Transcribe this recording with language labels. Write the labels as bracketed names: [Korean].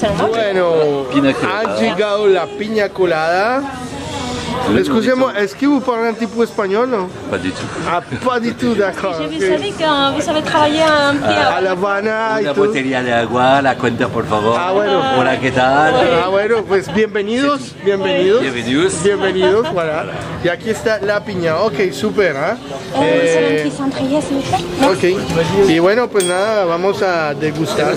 [Spanish] Bueno, ha llegado la piña colada. [French] Excusez-moi, est-ce que vous parlez un petit peu espagnol? Pas du tout. Ah, pas du tout, d'accord. Je vous savais que vous avez travaillé un peu à La Habana et tout. [Spanish] Una botella de agua, la cuenta, por favor. Ah, bueno. Hola, ¿qué tal? Ah, bueno, pues bienvenidos, bienvenidos. Bienvenidos. Bienvenidos, voilà. Y aquí está la piña, ok, super. Ok, y bueno, pues nada, vamos a degustar.